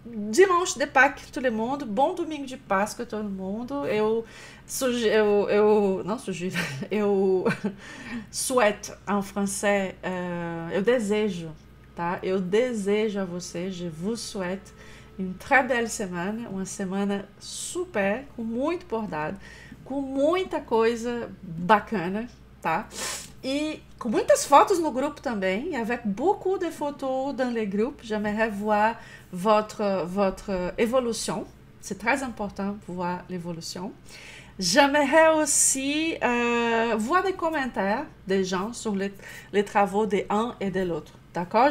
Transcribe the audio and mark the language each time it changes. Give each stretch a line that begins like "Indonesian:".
French: Dimanche de Pâques, tout le monde.
Portuguese: Bom domingo de Páscoa, todo mundo. Eu não sugiro.
French: Eu souhaite en français.
Portuguese: Eu desejo, tá? Eu desejo a você.
French: Je vous souhaite une très belle semaine.
Portuguese: Uma semana super, com muito bordado, com muita coisa bacana, tá? E com muitas fotos no grupo também,
French: avec beaucoup de photos dans le groupe, j'aimerais voir votre évolution. C'est très important de voir l'évolution. J'aimerais aussi voir des commentaires des gens sur les travaux de l'un et de l'autre. D'accord?